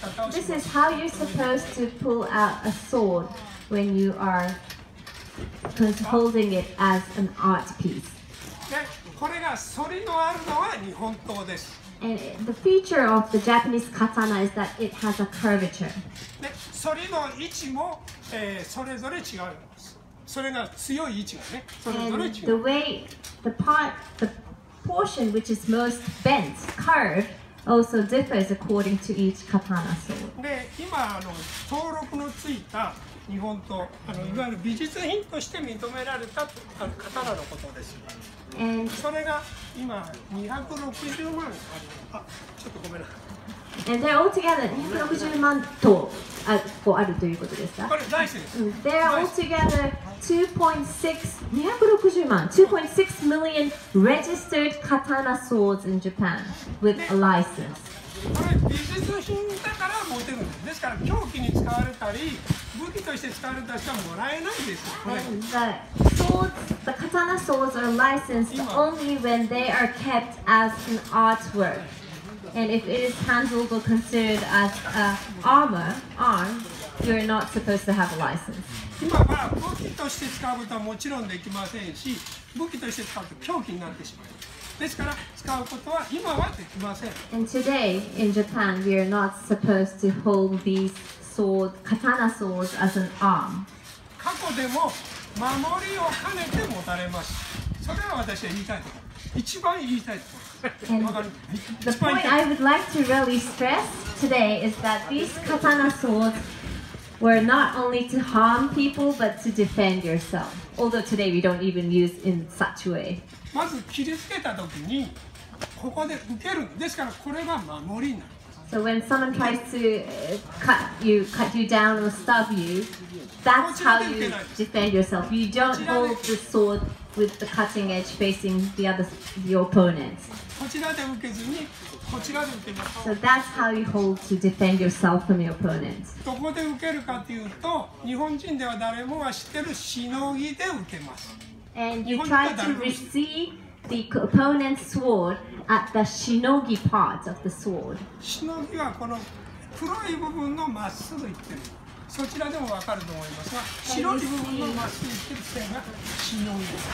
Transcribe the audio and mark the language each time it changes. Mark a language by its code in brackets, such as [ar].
[en] This is how you're supposed to pull out a sword when you are holding it as an art piece. And the feature of the Japanese katana is that it has a curvature. [ja] で、ソリの位置も、それぞれ違います。それが強い位置がね、それぞれ違う。 [en] The way, the portion which is most bent, curved, also differs according to each katana sword. [ja] で、今登録のついた日本刀、いわゆる美術品として認められた刀のことです。 [en] And [ja] それが今260万ある。あ、ちょっとごめんなさい。 [en] And they're altogether [ja] 260万頭あるということですか。これ大事です。 [en] They're altogether 2.6 million registered katana swords in Japan with a license. [ja] これ美術品だから持てるんです。ですから凶器に使われたり武器として使われたりしかもらえないんですよ。 [en] The katana swords are licensed only when they are kept as an artwork. And if it is handled or considered as an armor, arm, you are not supposed to have a license. [ja] 今は武器として使うことはもちろんできませんし、武器として使うと凶器になってしまう。ですから使うことは今はできません。 [en] And today, in Japan, we are not supposed to hold these sword, katana swords as an arm. [ja] 過去でも守りを兼ねて持たれます。それは私は言いたいと。一番言いたいと。 [en] And the point I would like to really stress today is that these katana swords were not only to harm people but to defend yourself. Although today we don't even use in such a way. [ja] まず切りつけた時にここで受けるんですから、これが守りになる。 [en] So when someone tries to cut you down or stab you, that's how you defend yourself. You don't hold the swordWith the cutting edge facing the other, your opponent. So that's how you hold to defend yourself from your opponent. [ja] どこで受けるかというと、日本人では誰もが知ってるしのぎで受けます。 [en] And you try to receive the opponent's sword at the しのぎ part of the sword. [ja] しのぎはこの黒い部分のまっすぐいってる。そちらでもわかると思いますが、白い部分のまっすぐ引ける線が忍び。